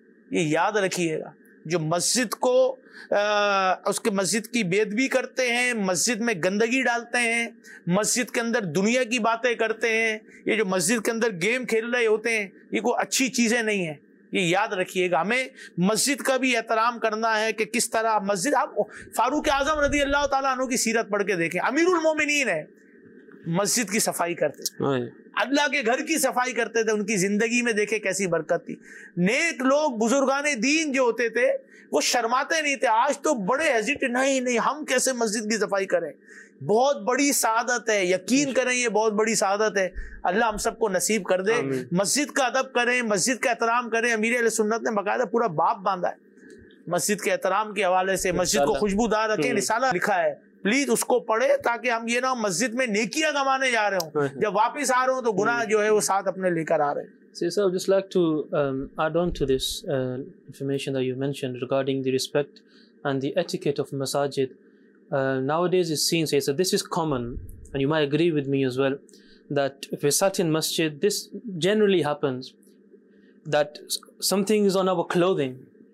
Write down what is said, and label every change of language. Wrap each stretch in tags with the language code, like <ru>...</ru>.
<ur>یہ یاد رکھیے گا, جو مسجد کو اس کے مسجد کی بے ادبی کرتے ہیں, مسجد میں گندگی ڈالتے ہیں, مسجد کے اندر دنیا کی باتیں کرتے ہیں, یہ جو مسجد کے اندر گیم کھیل رہے ہوتے ہیں, یہ کوئی اچھی چیزیں نہیں ہیں. یہ یاد رکھیے گا, ہمیں مسجد کا بھی احترام کرنا ہے کہ کس طرح مسجد. آپ فاروق اعظم رضی اللہ تعالیٰ عنہ کی سیرت پڑھ کے دیکھیں, امیر المومنین ہیں, مسجد کی صفائی کرتے ہیں, اللہ کے گھر کی صفائی کرتے تھے. ان کی زندگی میں دیکھے کیسی برکت تھی. نیک لوگ بزرگان دین جو ہوتے تھے وہ شرماتے نہیں تھے. آج تو بڑے ہیزیٹ, نہیں نہیں ہم کیسے مسجد کی صفائی کریں. بہت بڑی سعادت ہے, یقین کریں یہ بہت بڑی سعادت ہے. اللہ ہم سب کو نصیب کر دے مسجد کا ادب کریں, مسجد کا احترام کریں. امیر اہل سنت نے باقاعدہ پورا باب باندھا ہے مسجد کے احترام کے حوالے سے, مسجد کو خوشبودار رکھیں, رسالہ لکھا ہے, پلیز اس کو پڑھے تاکہ ہم یہ نہ مسجد میں نیکیاں کمانے جا رہے ہوں جب واپس آ رہے ہوں تو گناہ جو ہے وہ ساتھ اپنے لے کر آ رہے ہیں.</ur> <en>See, sir, I would just like to add on to this information that you mentioned regarding the respect and the etiquette of masajid. Nowadays it seems, sir, this is common, and you might agree with me as well, that if we sat in masjid, this generally happens, that something is on our clothing.</en>